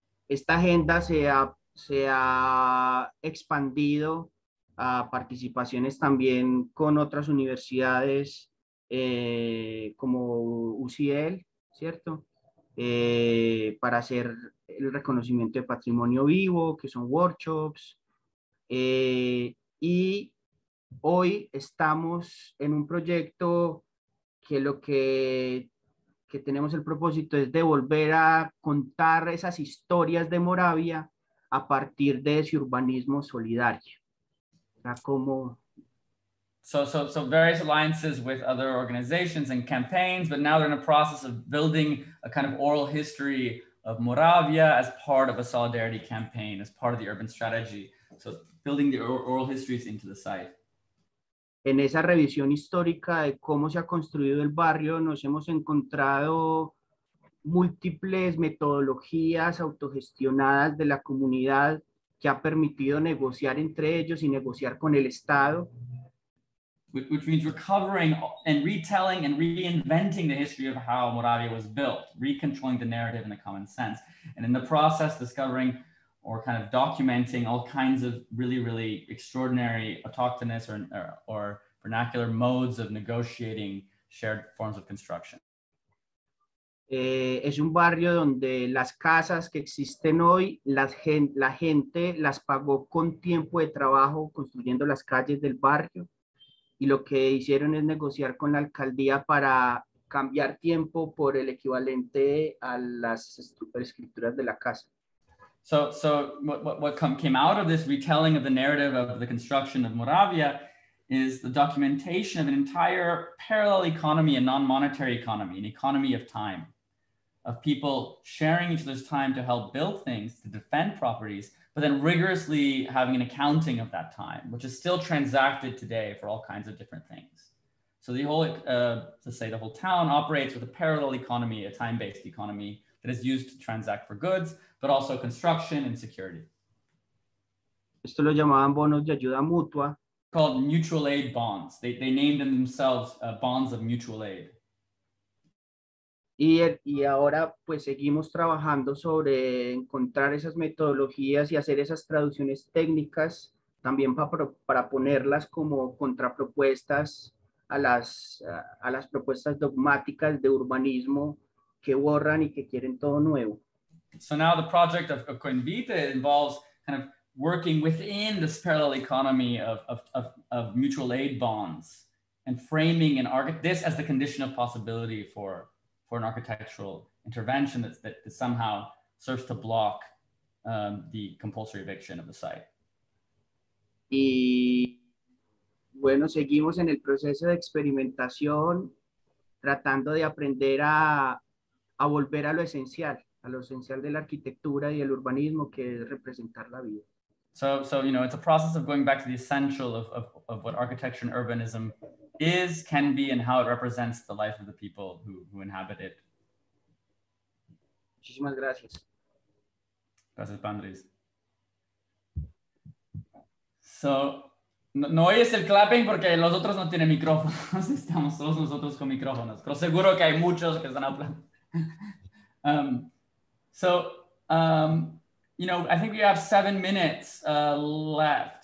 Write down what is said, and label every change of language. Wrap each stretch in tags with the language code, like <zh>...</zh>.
<es>Esta agenda se ha expandido a participaciones también con otras universidades como UCL, ¿cierto? Para hacer el reconocimiento de patrimonio vivo, que son workshops. Y hoy estamos en un proyecto que tenemos el propósito es de volver a contar esas historias de Moravia a partir de ese urbanismo solidario.</es> <en>So various alliances with other organizations and campaigns, but now they're in a process of building a kind of oral history of Moravia as part of a solidarity campaign, as part of the urban strategy. So building the oral histories into the site.</en> <es>En esa revisión histórica de cómo se ha construido el barrio, nos hemos encontrado múltiples metodologías autogestionadas de la comunidad que ha permitido negociar entre ellos y negociar con el Estado.</es> <en>Which means recovering and retelling and reinventing the history of how Moravia was built, recontrolling the narrative in a common sense. And in the process, discovering or kind of documenting all kinds of really, really extraordinary autochthonous or vernacular modes of negotiating shared forms of construction.</en> <es>Es un barrio donde las casas que existen hoy, la gente las pagó con tiempo de trabajo construyendo las calles del barrio, y lo que hicieron es negociar con la alcaldía para cambiar tiempo por el equivalente a las escrituras de la casa.</es> <en>So what came out of this retelling of the narrative of the construction of Moravia is the documentation of an entire parallel economy, a non-monetary economy, an economy of time. Of people sharing each other's time to help build things, to defend properties, but then rigorously having an accounting of that time, which is still transacted today for all kinds of different things. So the whole, the whole town operates with a parallel economy, a time-based economy that is used to transact for goods, but also construction and security.</en> <es>Esto lo llamaban bonos de ayuda mutua.</es> <en>Called mutual aid bonds. They named them themselves bonds of mutual aid.</en> <es>Y ahora pues seguimos trabajando sobre encontrar esas metodologías y hacer esas traducciones técnicas también para ponerlas como contrapropuestas a las propuestas dogmáticas de urbanismo que borran y que quieren todo nuevo.</es> <en>So now the project of Coinvite involves kind of working within this parallel economy of mutual aid bonds and framing this as the condition of possibility for an architectural intervention that somehow serves to block the compulsory eviction of the site.</en> <es>Y bueno, seguimos en el proceso de experimentación, tratando de aprender a volver a lo esencial de la arquitectura y el urbanismo, que es representar la vida.</es> <en>So you know, it's a process of going back to the essential of what architecture and urbanism is, can be, and how it represents the life of the people who inhabit it.</en> <es>Muchísimas gracias. Gracias, Pandris. So, no oyes el clapping porque los otros no tienen micrófonos. Estamos todos nosotros con micrófonos. Pero seguro que hay muchos que están hablando.</es> <en>You know, I think we have 7 minutes left.</en>